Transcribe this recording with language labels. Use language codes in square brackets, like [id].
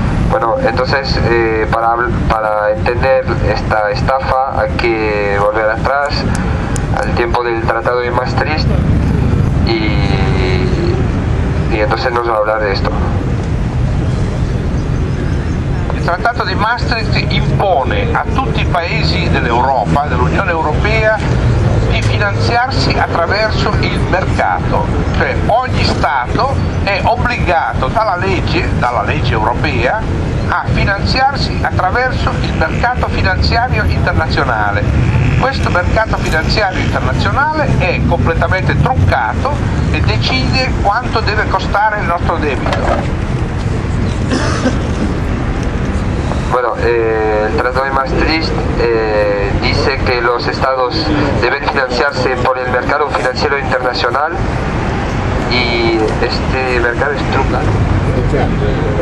[es] Bueno, entonces para entender esta estafa, hay que volver atrás al tiempo del Tratado de Maastricht y entonces nos va a hablar de esto. [it] Il trattato di Maastricht impone a tutti i paesi dell'Europa, dell'Unione Europea, di finanziarsi attraverso il mercato, cioè ogni Stato è obbligato dalla legge europea, a finanziarsi attraverso il mercato finanziario internazionale. Questo mercato finanziario internazionale è completamente truccato e decide quanto deve costare il nostro debito. [es] Bueno, el Tratado de Maastricht dice que los estados deben financiarse por el mercado financiero internacional y este mercado es truncado.